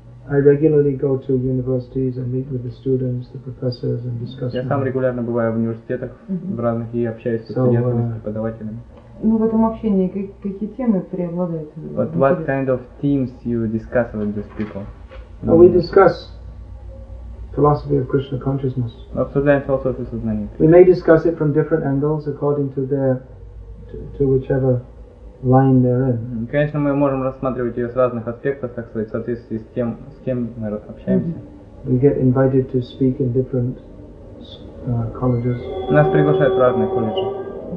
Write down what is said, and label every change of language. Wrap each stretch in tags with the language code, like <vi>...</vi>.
<en>I regularly go to universities and meet with the students, the professors, and discuss.</en> <ru>Я сам регулярно бываю в университетах в разных и общаюсь с студентами, с преподавателями. Ну, в этом общении какие темы преобладают?</ru> <en>But what kind of themes you discuss with these people? Well, we discuss philosophy of Krishna consciousness.</en> <ru>Обсуждаем философию сознания.</ru> <en>We may discuss it from different angles according to their to whichever line they're in.</en> <ru>Конечно, мы можем рассматривать ее с разных аспектов, так сказать, в соответствии с тем мы общаемся.</ru> <en>We get invited to speak in different colleges.</en> <ru>Нас приглашают в разные колледжи.</ru>